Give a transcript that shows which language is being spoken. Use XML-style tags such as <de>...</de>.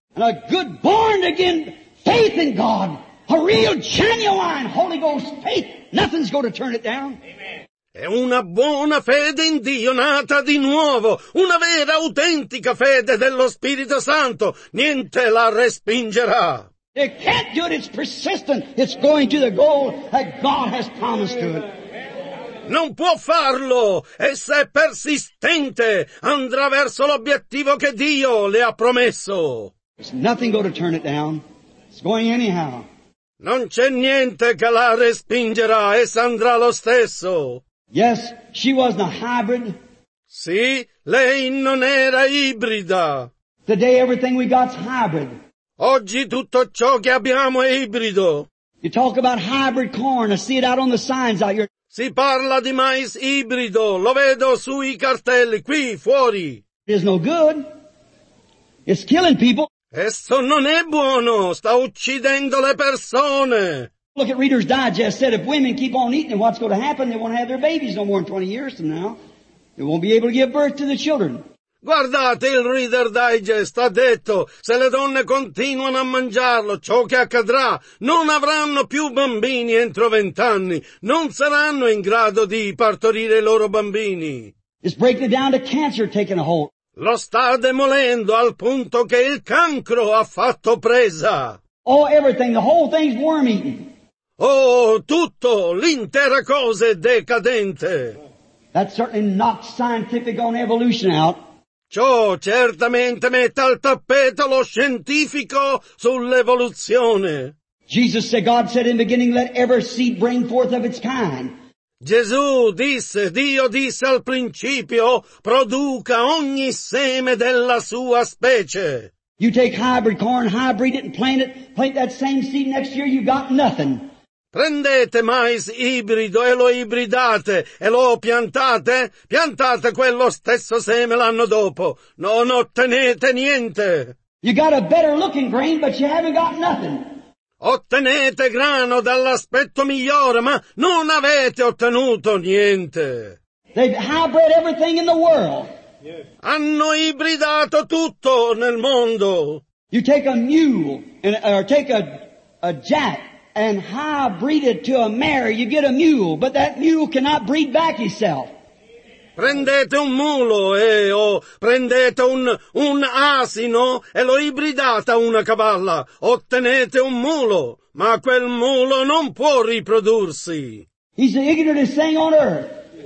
<en>And a good born again faith in God, a real genuine Holy Ghost faith, nothing's going to turn it down.</en> <it>È una buona fede in Dio nata di nuovo, una vera autentica fede dello Spirito Santo, niente la respingerà.</it> <en>It can't do it, it's persistent, it's going to the goal that God has promised to it.</en> <it>Non può farlo, essa è persistente, andrà verso l'obiettivo che Dio le ha promesso.</it> <en>There's nothing going to turn it down. It's going anyhow.</en> <it>Non c'è niente che la respingerà. Essa andrà lo stesso.</it> <en>Yes, she was a hybrid.</en> <it>Sì, lei non era ibrida.</it> <en>Today everything we got's hybrid.</en> <it>Oggi tutto ciò che abbiamo è ibrido.</it> <en>You talk about hybrid corn. I see it out on the signs out here.</en> <it>Si parla di mais ibrido. Lo vedo sui cartelli qui fuori.</it> <en>It's no good. It's killing people.</en> <it>Esso non è buono, sta uccidendo le persone.</it> <en>Look at Reader's Digest said if women keep on eating, what's going to happen? They won't have their babies no more in 20 years from now. They won't be able to give birth to the children.</en> <it>Guardate, il Reader Digest ha detto, se le donne continuano a mangiarlo, ciò che accadrà, non avranno più bambini entro 20 anni. Non saranno in grado di partorire i loro bambini.</it> <en>It's breaking down to cancer taking a hold.</en> <it>Lo sta demolendo al punto che il cancro ha fatto presa.</it> <en>Oh, everything, the whole thing's worm-eaten.</en> <it>Oh, tutto, l'intera cosa è decadente.</it> <en>That certainly knocks scientific on evolution out.</en> <it>Ciò certamente mette al tappeto lo scientifico sull'evoluzione.</it> <en>Jesus said, God said in the beginning, let every seed bring forth of its kind.</en> <it>Gesù disse, Dio disse al principio, produca ogni seme della sua specie.</it> <en>You take hybrid corn, hybrid it and plant it, plant that same seed next year, you got nothing.</en> <it>Prendete mais ibrido e lo ibridate e lo piantate, piantate quello stesso seme l'anno dopo, non ottenete niente.</it> <en>You got a better looking grain, but you haven't got nothing.</en> <it>Ottenete grano dall'aspetto migliore, ma non avete ottenuto niente.</it> <en>They've hybrid everything in the world.</en> <it>Hanno ibridato tutto nel mondo.</it> <en>You take a mule, and, or take a jack, and hybrid it to a mare, you get a mule, but that mule cannot breed back itself.</en> <it>Prendete un mulo o prendete un asino e lo ibridate a una cavalla. Ottenete un mulo, ma quel mulo non può riprodursi.</it> <en>He's the ignorantest thing on earth.</en>